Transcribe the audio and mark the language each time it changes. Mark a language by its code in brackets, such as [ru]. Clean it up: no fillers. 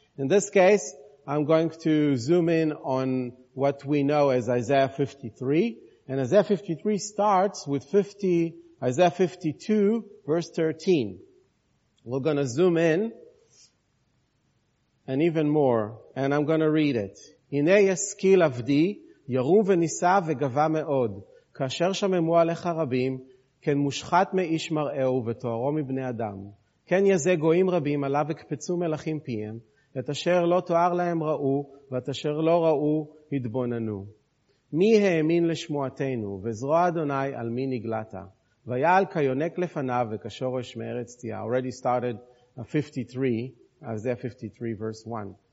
[en] In this case, I'm going to zoom in on what we know as Isaiah 53. And Isaiah 53 starts with Isaiah 52, verse 13. We're going to zoom in, and even more, and I'm going to read it. [he] Hinei yaskil avdi, ירום ונישא וגבה מאוד, כאשר שממו עליך רבים, כן מושחת מאיש מראהו ותוארו מבני אדם. כן יזה גויים רבים עליו וקפצו מלאכים פיהם, את אשר לא תואר להם ראו, ואת אשר לא ראו התבוננו. מי האמין לשמועתנו, וזרוע אדוני על מי נגלת? ויעל כיונק לפניו וכשורש מארץ תהיה. [en] Already started 53, Isaiah 53 verse 1.